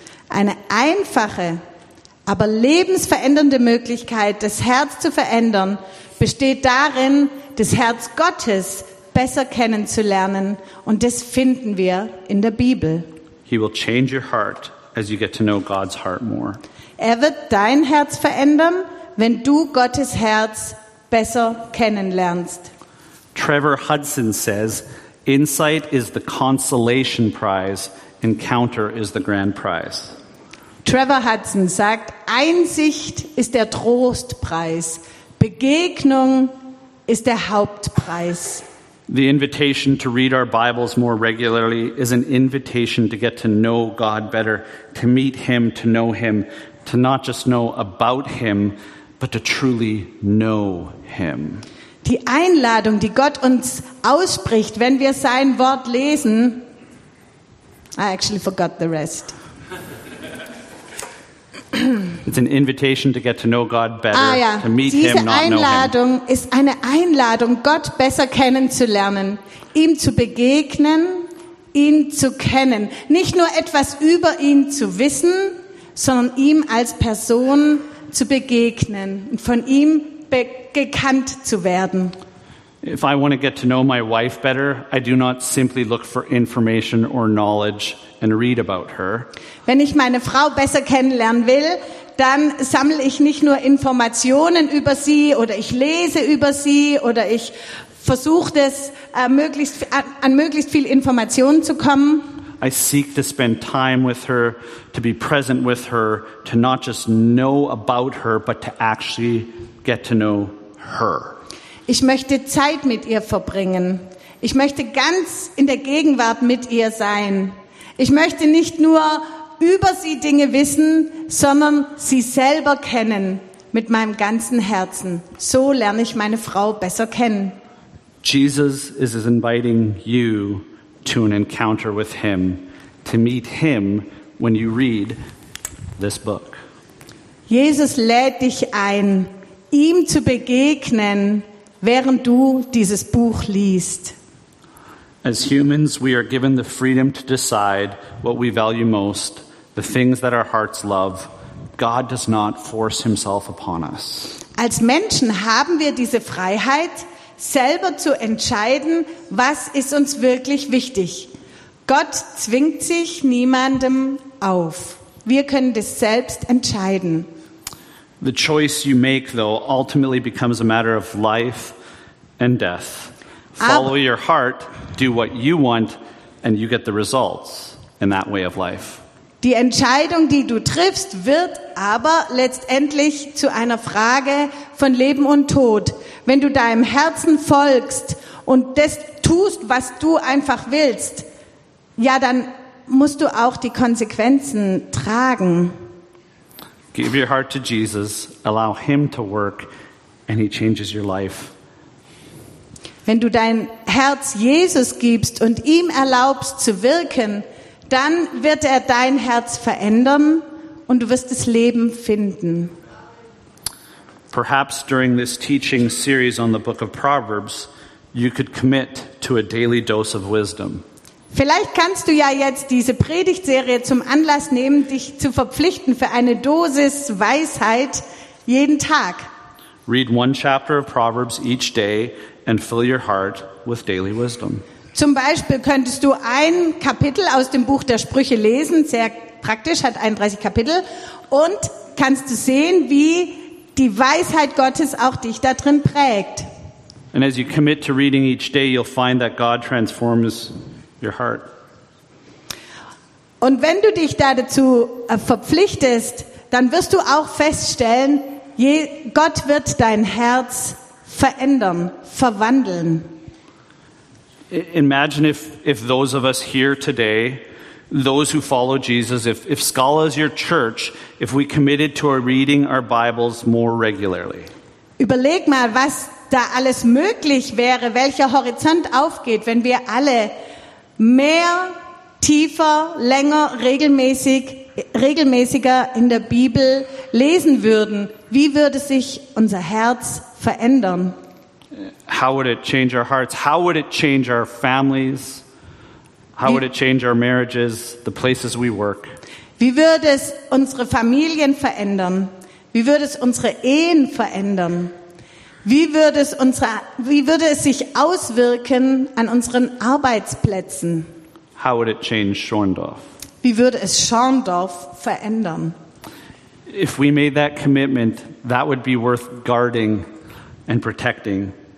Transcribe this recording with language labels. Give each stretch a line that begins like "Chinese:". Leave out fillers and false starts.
German: Eine einfache, aber lebensverändernde Möglichkeit, das Herz zu verändern, besteht darin, das Herz Gottes besser kennenzulernen, und das finden wir in der Bibel.
English: He will change your heart as you get to know God's heart more.
German: Er wird dein Herz verändern, wenn du Gottes Herz besser kennenlernst.
English: Trevor Hudson says, "Insight is the consolation prize, encounter is the grand prize."
German: Trevor Hudson sagt, Einsicht ist der Trostpreis, Begegnung ist der Hauptpreis.
English: The invitation to read our Bibles more regularly is an invitation to get to know God better, to meet him, to know him, to not just know about him, but to truly know him.
German: Die Einladung, die Gott uns ausspricht, wenn wir sein Wort lesen.
English: I actually forgot the rest. It's an invitation to get to know God better,
German: ah, ja,
English: to meet
German: diese
English: him, not
German: Einladung
English: know him.
German: Ist eine Einladung, Gott besser kennenzulernen, ihm zu begegnen, ihn zu kennen, nicht nur etwas über ihn zu wissen, sondern ihm als Person zu begegnen und von ihm gekannt zu werden.
English: If I want to get to know my wife better, I do not simply look for information or knowledge and read about her.
German: Wenn ich meine Frau besser kennenlernen will, dann sammle ich nicht nur Informationen über sie oder ich lese über sie oder ich versuche das möglichst viel Informationen zu kommen.
English: I seek to spend time with her, to be present with her, to not just know about her, but to actually get to know her.
German: Ich möchte Zeit mit ihr verbringen. Ich möchte ganz in der Gegenwart mit ihr sein. Ich möchte nicht nur über sie Dinge wissen, sondern sie selber kennen mit meinem ganzen Herzen. So lerne ich meine Frau besser kennen.
English: Jesus is inviting you to an encounter with him, to meet him when you read this book.
German: Jesus lädt dich ein, ihm zu begegnen, während du dieses Buch liest.
English: As humans, we are given the freedom to decide what we value most, the things that our hearts love. God does not force himself upon us.
German: Als Menschen haben wir diese Freiheit, selber zu entscheiden, was ist uns wirklich wichtig. Gott zwingt sich niemandem auf. Wir können das selbst entscheiden.
English: The choice you make, though, ultimately becomes a matter of life and death. Follow your heart, do what you want, and you get the results in that way of life.
German: Die Entscheidung, die du triffst, wird aber letztendlich zu einer Frage von Leben und Tod. Wenn du deinem Herzen folgst und das tust, was du einfach willst, ja, dann musst du auch die Konsequenzen tragen.
English: Give your heart to Jesus, allow him to work, and he changes your life.
German: Wenn du dein Herz Jesus gibst und ihm erlaubst zu wirken, dann wird er dein Herz verändern und du wirst das Leben finden.
English: Perhaps during this teaching series on the book of Proverbs, you could commit to a daily dose of wisdom.
German: Vielleicht kannst du ja jetzt diese Predigtserie zum Anlass nehmen, dich zu verpflichten für eine Dosis Weisheit jeden Tag.
English: Read one chapter of Proverbs each day and fill your heart with daily wisdom.
German: Zum Beispiel könntest du ein Kapitel aus dem Buch der Sprüche lesen, sehr praktisch, hat 31 Kapitel, und kannst du sehen, wie die Weisheit Gottes auch dich da drin prägt.
English: And as you commit to reading each day, you'll find that God transforms your heart.
German: Und wenn du dich dazu verpflichtest, dann wirst du auch feststellen, Gott wird dein Herz verändern, verwandeln.
English: Imagine if those of us here today, those who follow Jesus, if Scala is your church, if we committed to our reading our Bibles more regularly.
German: Überleg mal, was da alles möglich wäre, welcher Horizont aufgeht, wenn wir alle mehr, tiefer, länger, regelmäßiger in der Bibel lesen würden. Wie würde sich unser Herz verändern?
English: How would it change our hearts? How would it change our families? How would it change our marriages, the places we work?
German: Wie würde es unsere Familien verändern? Wie würde es unsere Ehen verändern? Wie würde es sich auswirken an unseren Arbeitsplätzen?
English: How would it change Schorndorf?
German: Wie würde es Schorndorf verändern?
English: If we made that commitment, that would be worth guarding and protecting.